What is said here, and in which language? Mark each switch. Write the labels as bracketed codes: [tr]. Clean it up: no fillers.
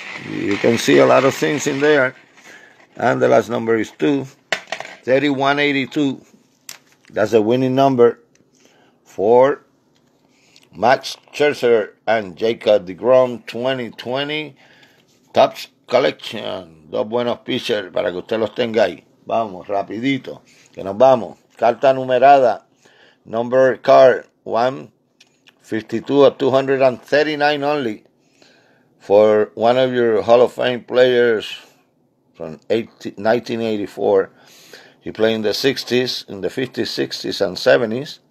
[en] You can see a lot of things in there. And the last number is 2-3182. That's the winning number for Max Scherzer and Jacob DeGrom 2020 Tops Collection. [es] Dos buenos pitchers para que usted los tenga ahí. Vamos, rapidito, que nos vamos. Carta numerada, [en] number card 152 of 239 only for one of your Hall of Fame players from 1984. He played in the 60s, in the 50s, 60s, and 70s.